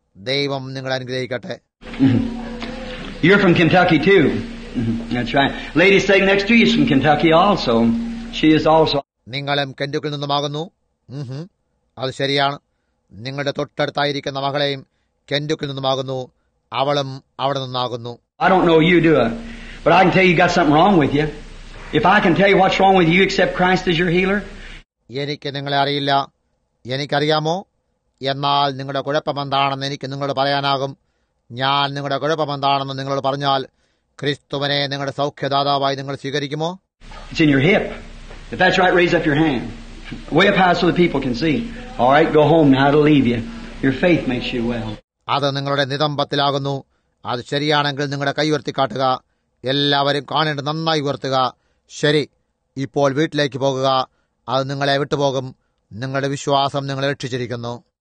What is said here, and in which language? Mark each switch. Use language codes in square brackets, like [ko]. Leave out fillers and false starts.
[ml] ദൈവം നിങ്ങളെ അനുഗ്രഹിക്കട്ടെ. [en] You're from Kentucky too. That's right. Lady sitting next to you is from Kentucky also. She is also. [ml] നിങ്ങളും കെൻഡുക്കിൽ നിന്നുമാകുന്നു. അത് ശരിയാണ്. നിങ്ങളുടെ തൊട്ടടുത്തായിരിക്കുന്ന മകളെയും കെൻഡുക്കിൽ നിന്നുമാകുന്നു. അവളും അവിടെ നിന്നാകുന്നു. [en] I don't know you do it, but I can tell you got something wrong with you. If I can tell you what's wrong with you, accept Christ as your healer. [ml] എനിക്ക് നിങ്ങളെ അറിയില്ല. എനിക്കറിയാമോ? എന്നാൽ നിങ്ങളുടെ കുഴപ്പമെന്താണെന്ന് എനിക്ക് നിങ്ങളോട് പറയാനാകും. ഞാൻ നിങ്ങളുടെ കുഴപ്പമെന്താണെന്ന് നിങ്ങളോട് പറഞ്ഞാൽ ക്രിസ്തുവിനെ നിങ്ങളുടെ സൗഖ്യദാതാവായി നിങ്ങൾ സ്വീകരിക്കുമോ? [en] It's in your hip. If that's right, raise up your hand. Way up high so the people can see. All right, go home now. It'll leave you. Your faith makes you well. [ml] അത് നിങ്ങളുടെ നിതംബത്തിലാകുന്നു. അത് ശരിയാണെങ്കിൽ നിങ്ങളുടെ കൈ ഉയർത്തി കാട്ടുക. എല്ലാവരും കാണേണ്ടത് നന്നായി ഉയർത്തുക. ശരി, ഇപ്പോൾ വീട്ടിലേക്ക് പോകുക. അത് നിങ്ങളെ വിട്ടുപോകും. നിങ്ങളുടെ വിശ്വാസം നിങ്ങളെ രക്ഷിച്ചിരിക്കുന്നു.